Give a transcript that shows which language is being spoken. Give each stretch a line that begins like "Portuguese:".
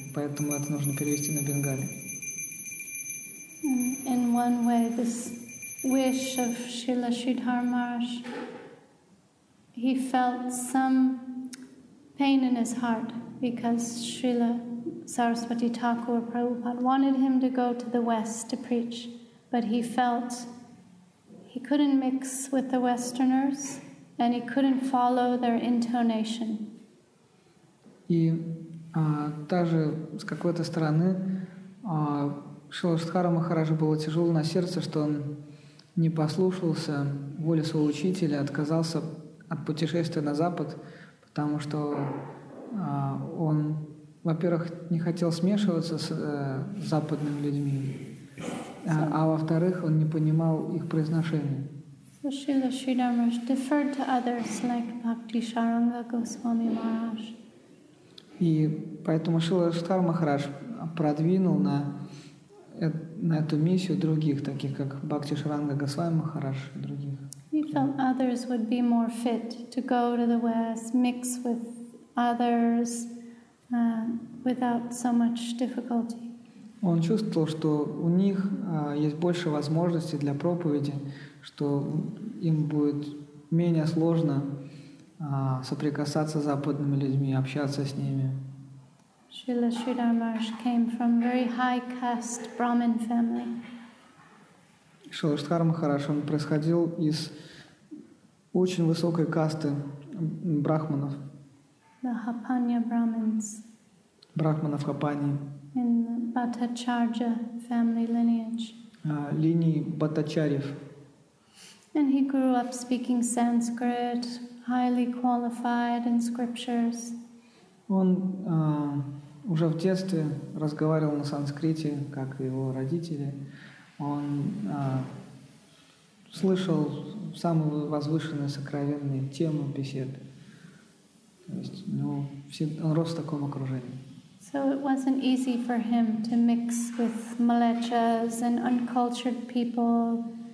Russian: Поэтому это нужно перевести на бенгали.
English: In one way, this wish of Srila Sridhar Maharaj, he felt some pain in his heart because Srila Saraswati Thakur Prabhupada wanted him to go to the West to preach, but he felt he couldn't mix with the Westerners and he couldn't follow their intonation.
Russian: И даже с какой-то стороны Шрила Шридхара Махараджа было тяжело на сердце, что он не послушался воли своего учителя, отказался от путешествия на Запад, потому что он, во-первых, не хотел смешиваться с западными людьми, а во-вторых, он не понимал их произношения.
English: So Srila Sridhar Maharaj deferred to others like Bhakti Sharanga Goswami Maharaj.
Russian: И поэтому Шрила Шридхар Махарадж продвинул на эту миссию других, таких как Бхакти Шаранга Госвами Махарадж и других.
English: He felt others would be more fit to go to the West, mix with others without so much difficulty.
Russian: Он чувствовал, что у них есть больше возможностей для проповеди, что им будет менее сложно соприкасаться с западными людьми, общаться с ними.
English: Srila Sridhar Maharaj came from very high caste Brahmin family.
Russian: Шрила Шридхар Махарадж, он происходил из очень высокой касты брахманов.
English: The Hapanya Brahmins.
Russian: Брахманов Хапани.
English: In the Bhattacharya family lineage.
Russian: Линии Бхаттачарьев.
English: And he grew up speaking Sanskrit, highly qualified in scriptures.
Russian: Он уже в детстве разговаривал на санскрите, как его родители. Он слышал самые возвышенные, сокровенные темы бесед. То есть, ну, он рос в таком окружении.
English: So it wasn't easy for him to mix with malechas and uncultured people,